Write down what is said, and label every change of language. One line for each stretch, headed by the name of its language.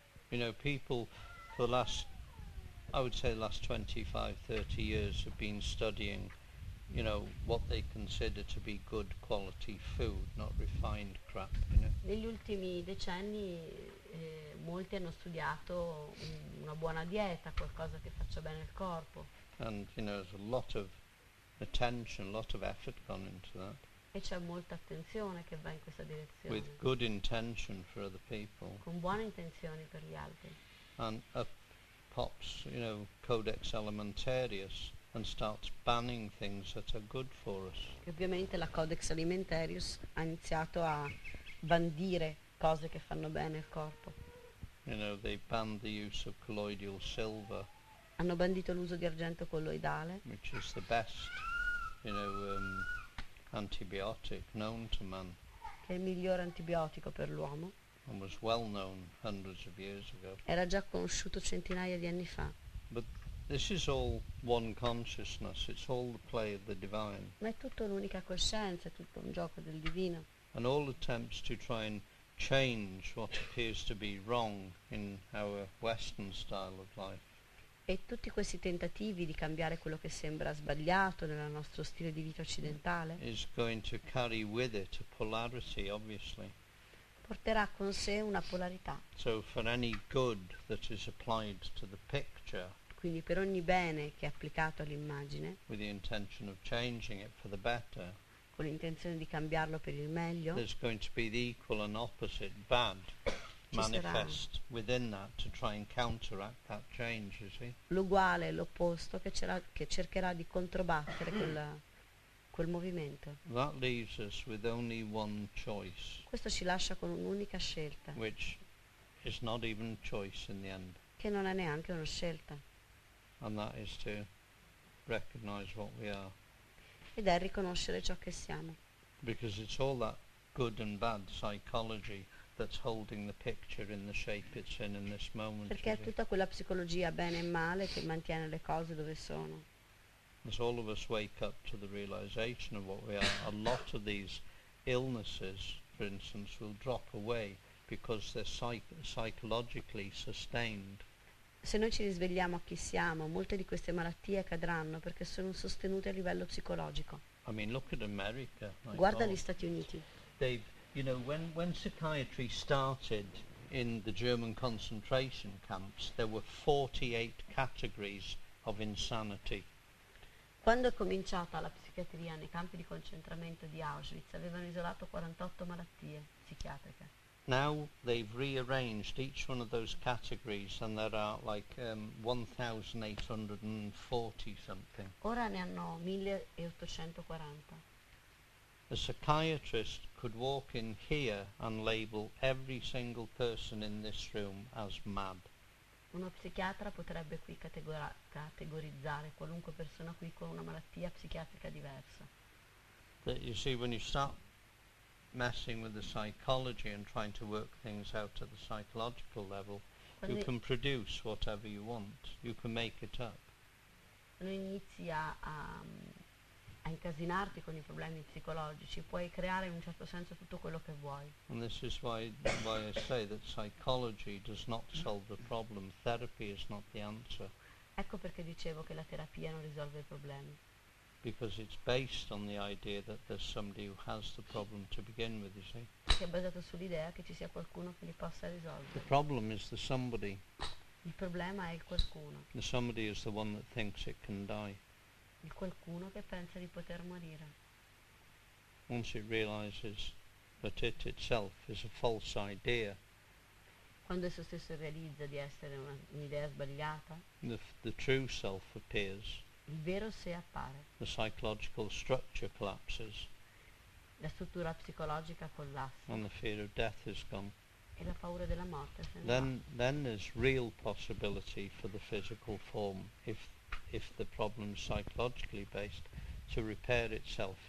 English: You know, people for the last, I would say, the last 25-30 years have been studying, you know, what they consider to be good quality food, not refined crap, you know.
Italian: Negli ultimi decenni molti hanno studiato una buona dieta, qualcosa che faccia bene al corpo.
English: And, you know, there's a lot of attention, a lot of effort gone into that.
Italian: E c'è molta attenzione che va in questa direzione.
English: With good intention for other people.
Italian: Con buone intenzioni per gli altri.
English: And up pops, you know, Codex Alimentarius. And starts banning things that are good for us.
Italian: E ovviamente la Codex Alimentarius ha iniziato a bandire cose che fanno bene al corpo.
English: You know, they banned the use of colloidal silver.
Italian: Hanno bandito l'uso di argento colloidale.
English: Which is the best, you know, antibiotic known to man.
Italian: Che è il miglior antibiotico per l'uomo.
English: And was well known hundreds of years ago.
Italian: Era già conosciuto centinaia di anni fa.
English: But this is all one consciousness, it's all the play of the divine.
Italian: Ma è tutto un'unica coscienza, è tutto un gioco del divino.
English: And all attempts to try and change what appears to be wrong in our Western style of life.
Italian: E tutti questi tentativi di cambiare quello che sembra sbagliato nel nostro stile di vita occidentale
English: is going to carry with it a polarity, obviously.
Italian: Porterà con sé una polarità.
English: So for any good that is applied to the picture,
Italian: quindi per ogni bene che è applicato all'immagine,
English: with the intention of changing it for the better,
Italian: con l'intenzione di cambiarlo per il meglio,
English: there's going to be the equal and opposite bad manifest within that to try and counteract that change, you see?
Italian: L'uguale, l'opposto che cercherà di controbattere quel movimento.
English: That leaves us with only one choice.
Italian: Questo ci lascia con un'unica scelta.
English: Which is not even choice in the end.
Italian: Che non è neanche una scelta.
English: And that is to recognize what we are.
Italian: Ed è riconoscere ciò che siamo.
English: Because it's all that good and bad psychology that's holding the picture in the shape it's in this moment.
Italian: Perché è tutta quella psicologia bene e male che mantiene le cose dove sono.
English: As all of us wake up to the realization of what we are, a lot of these illnesses, for instance, will drop away because they're psychologically sustained.
Italian: Se noi ci risvegliamo a chi siamo, molte di queste malattie cadranno perché sono sostenute a livello psicologico.
English: I mean, look at America.
Italian: Guarda gli Stati Uniti.
English: You know, when psychiatry started in the German concentration camps, there were 48 categories of insanity.
Italian: Quando è cominciata la psichiatria nei campi di concentramento di Auschwitz, avevano isolato 48 malattie psichiatriche.
English: Now they've rearranged each one of those categories and there are like 1840 something.
Italian: Ora ne hanno 1840.
English: A psychiatrist could walk in here and label every single person in this room as mad.
Italian: Uno psichiatra potrebbe qui categorizzare qualunque persona qui con una malattia psichiatrica diversa.
English: But you see, when you start messing with the psychology and trying to work things out at the psychological level,
Italian: quando
English: you can produce whatever you want. You can make it up.
Italian: Quando inizi a incasinarti con i problemi psicologici, puoi creare in un certo senso tutto quello che vuoi.
English: And this is why I say that psychology does not solve the problem. Therapy is not the answer.
Italian: Ecco perché dicevo che la terapia non risolve i problemi.
English: Because it's based on the idea that there's somebody who has the problem to begin with, you see.
Italian: Che è basato sull'idea che ci sia qualcuno che li possa risolvere.
English: The problem is the somebody.
Italian: Il problema è il qualcuno.
English: The somebody is the one that thinks it can die.
Italian: Il qualcuno che pensa di poter morire.
English: Once it realizes that it itself is a false idea.
Italian: Quando esso stesso realizza di essere un'idea sbagliata.
English: The true self appears.
Italian: Il vero sé appare.
English: The psychological structure collapses.
Italian: La struttura psicologica collassa.
English: And the fear of death is gone.
Italian: E la paura della morte se ne va.
English: Then there's real possibility for the physical form if the problem is psychologically based, to repair itself.